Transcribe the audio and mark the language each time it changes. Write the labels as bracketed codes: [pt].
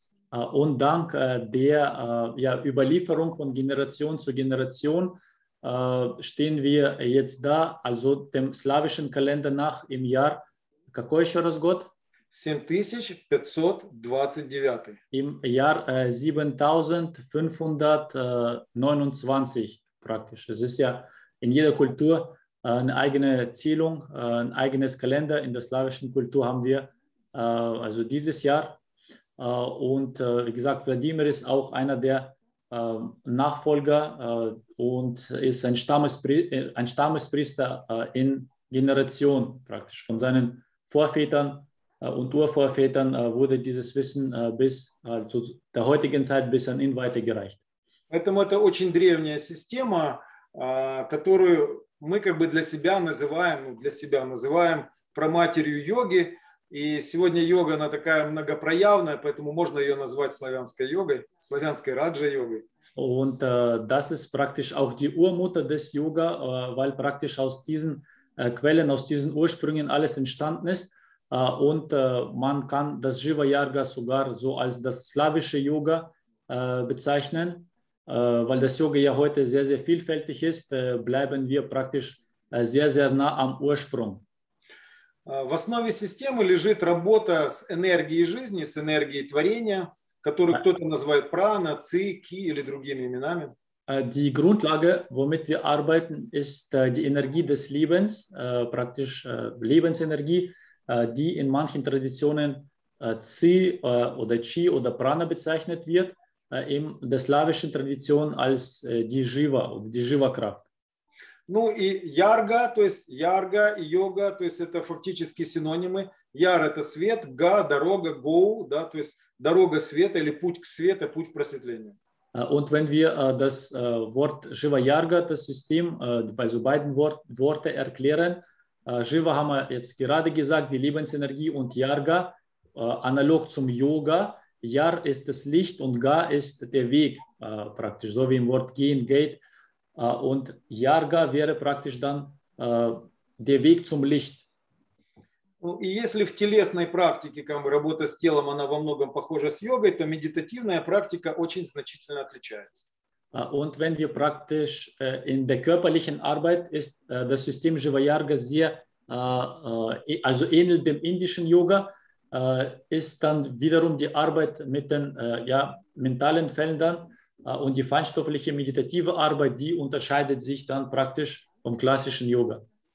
[de] Und dank der ja, Überlieferung von Generation zu Generation stehen wir jetzt da, also dem slawischen Kalender nach im Jahr, [ru] какой еще раз год? 7529. [de] Im Jahr 7529 praktisch. Es ist ja in jeder Kultur eine eigene Zählung, ein eigenes Kalender. In der slawischen Kultur haben wir also dieses Jahr. Und wie gesagt, Wladimir ist auch einer der Nachfolger und ist ein Stammespriester in Generation praktisch. Von seinen Vorvätern und Urvorvätern wurde dieses Wissen bis zu der heutigen Zeit bis an ihn weitergereicht. [ru] Поэтому это очень древняя система, которую мы как бы для себя называем, праматерью йоги. И сегодня йога, она такая многопроявная, поэтому можно ее назвать славянской йогой, славянской раджа-йогой. [de] Und das ist praktisch auch die Urmutter des Yoga, weil praktisch aus diesen Quellen, aus diesen Ursprüngen alles entstanden ist. Und man kann das Живоярга sogar so als das slawische Yoga bezeichnen. Weil das Yoga ja heute sehr, sehr vielfältig ist, bleiben wir praktisch sehr, sehr nah am Ursprung. [ru] В основе системы лежит работа с энергией жизни, с энергией творения, которую кто-то называет прана, ци, ки или другими именами. [de] Die Grundlage, womit wir arbeiten, ist die Energie des Lebens, praktisch Lebensenergie, die in manchen Traditionen Zi oder Chi oder Prana bezeichnet wird, in der slawischen Tradition als die Jiva oder die Jiva-Kraft. [ru] Ну и ярга, то есть ярга и йога, то есть это фактически синонимы. Яр – это свет, га – дорога, гоу, да, то есть дорога света или путь к свету, путь к просветлению. [de] Und wenn wir das Wort Jiva Yarga, das System, also beiden Worte erklären, Jiva haben wir jetzt gerade gesagt, die Lebensenergie und Yarga, analog zum Yoga. Yar ist das Licht und Ga ist der Weg, praktisch, so wie im Wort gehen, geht. Und Yarga wäre praktisch dann der Weg zum Licht. [ru] Ну, и если в телесной практике как бы, работа с телом, она во многом похожа с йогой, то медитативная практика очень значительно отличается. [de] Und wenn wir praktisch in der körperlichen Arbeit ist das System Jiva Yarga sehr, also ähnelt dem indischen Yoga, ist dann wiederum die Arbeit mit den mentalen Feldern und die feinstoffliche meditative Arbeit, die unterscheidet sich dann praktisch vom klassischen Yoga.